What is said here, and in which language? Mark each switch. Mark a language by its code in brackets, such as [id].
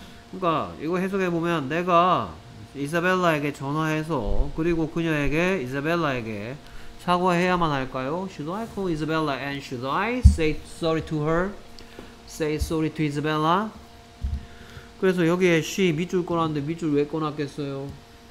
[ko] 그러니까 이거 해석해보면 내가 이사벨라에게 전화해서 그리고 그녀에게 이사벨라에게 사과해야만 할까요? [en] Should I call Isabella and should I say sorry to her? Say sorry to Isabella? [ko] 그래서 여기에 she 밑줄 꺼놨는데 밑줄 왜 꺼놨겠어요?